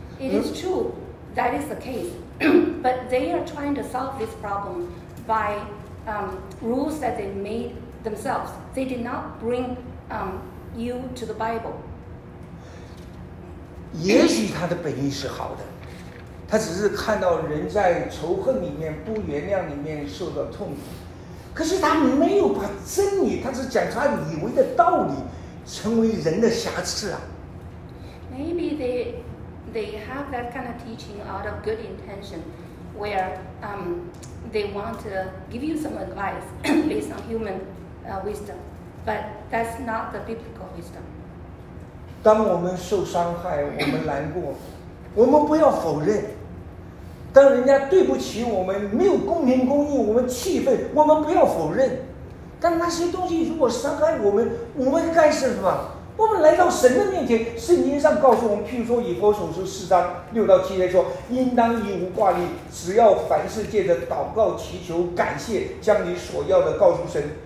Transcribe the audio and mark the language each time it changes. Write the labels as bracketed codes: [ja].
[en] It is true, that is the case, but they are trying to solve this problem by rules that they made themselves. They did not bring you to the Bible. [zh] 也许他的本意是好的。他只是看到人在仇恨里面、不原谅里面受到痛苦，可是他没有把真理，他只讲他以为的道理，成为人的瑕疵啊。 [en] Maybe they have that kind of teaching out of good intention, where they want to give you some advice based on human wisdom, but that's not the biblical wisdom. [zh] 当我们受伤害，我们难过。我们不要否认，当人家对不起我们，没有公平公义，我们气愤，我们不要否认。但那些东西如果伤害我们，我们该是什么？我们来到神的面前，圣经上告诉我们，譬如说以弗所书四章六到七节说，应当以无挂虑，只要凡事借着祷告祈求感谢，将你所要的告诉神。